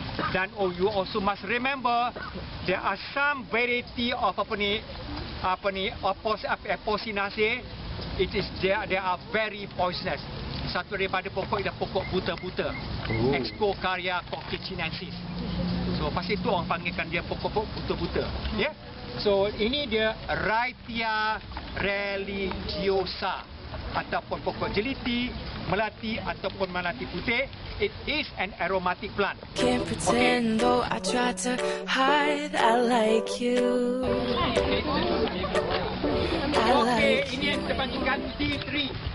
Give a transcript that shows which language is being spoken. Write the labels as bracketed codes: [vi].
[en] Dan oh, you also must remember, there are some variety of Apocynaceae. It is they are very poisonous. [ms] Satu daripada pokok ialah pokok buta-buta, Excocaria cochinensis. So pasal itu orang panggilkan dia pokok-pokok buta-buta. Yeah. So ini dia Raitya religiosa ataupun pokok jeliti, melati ataupun melati putih. [en] It is an aromatic plant. Can't pretend though I try to hide, I like you. [ms] Okay, ini yang kita panggilkan tea tree.